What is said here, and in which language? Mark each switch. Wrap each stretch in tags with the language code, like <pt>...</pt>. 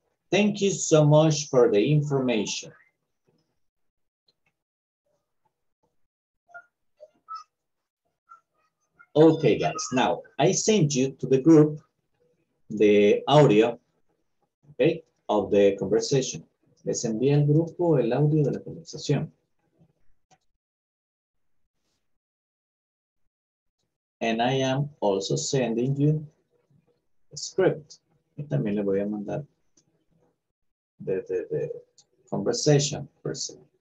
<en>Thank you so much for the information. Okay, guys, now I send you to the group the audio, okay, of the conversation.</en> <es>Les envié al grupo el audio de la conversación.</es> <en>And I am also sending you a script.</en> <es>Y también le voy a mandar</es> <en>the conversation per se.</en>